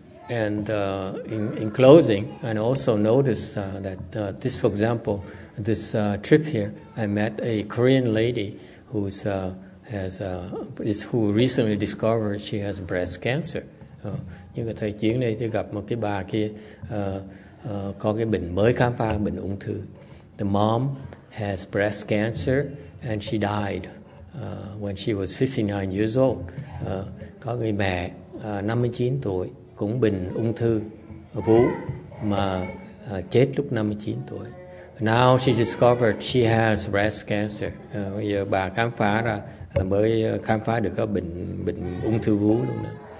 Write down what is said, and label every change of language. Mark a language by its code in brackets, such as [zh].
[en] And in closing, and also notice that this, for example, this trip here, I met a Korean lady who's has is who recently discovered she has breast cancer. [vi] Nhưng mà thời chuyến này tôi gặp một cái bà kia có cái bệnh mới khám phá bệnh ung thư. [en] The mom has breast cancer and she died when she was 59 years old. [vi] Có người mẹ 59 tuổi cũng bệnh ung thư vú mà chết lúc 59 tuổi. [en] Now she discovered she has breast cancer. [vi] Bây giờ bà khám phá ra mới khám phá được cái bệnh ung thư vú luôn đó.